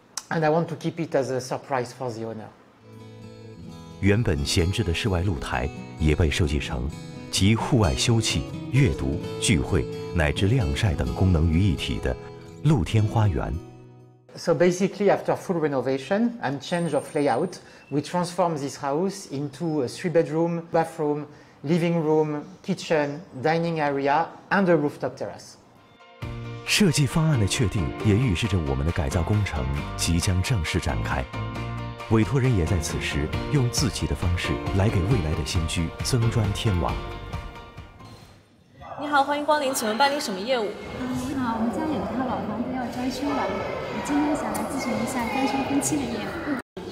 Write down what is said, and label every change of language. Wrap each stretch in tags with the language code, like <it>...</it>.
<en>And I want to keep it as a surprise for the owner.</en> <zh>原本闲置的室外露台也被设计成集户外休憩、阅读、聚会乃至晾晒等功能于一体的露天花园。</zh> <en>So basically, after full renovation and change of layout, we transformed this house into a three-bedroom, bathroom, living room, kitchen, dining area, and a rooftop terrace.</en> <zh>设计方案的确定也预示着我们的改造工程即将正式展开。委托人也在此时用自己的方式来给未来的新居增砖添瓦。你好，欢迎光临，请问办理什么业务？你好，我们家有一套老房子要装修了，我今天想来咨询一下装修分期的业务。</zh>